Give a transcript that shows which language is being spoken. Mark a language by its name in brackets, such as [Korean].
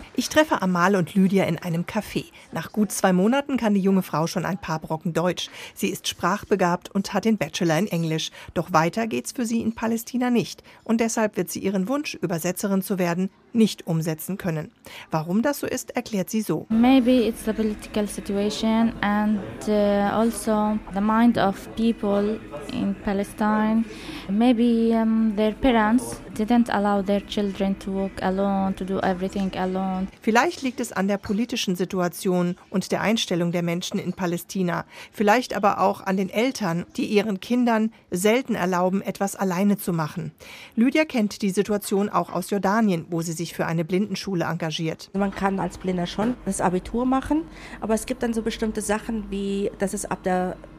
[German] Ich treffe Amal und Lydia in einem Café. Nach gut 2 Monaten kann die junge Frau schon ein paar Brocken Deutsch. Sie ist sprachbegabt und hat den Bachelor in Englisch. Doch weiter geht's für sie in Palästina nicht. Und deshalb wird sie ihren Wunsch, Übersetzerin zu werden, nicht umsetzen können. Warum das so ist, erklärt sie so. [English] Maybe it's the political situation and also the mind of people in Palestine. Maybe their parents didn't allow their children to walk alone, to do everything alone. [German] Vielleicht liegt es an der politischen Situation und der Einstellung der Menschen in Palästina. Vielleicht aber auch an den Eltern, die ihren Kindern selten erlauben, etwas alleine zu machen. Lydia kennt die Situation auch aus Jordanien, wo sie sich für eine Blindenschule engagiert. Man kann als Blinder schon das Abitur machen, aber es gibt dann so bestimmte Sachen, wie dass es ab der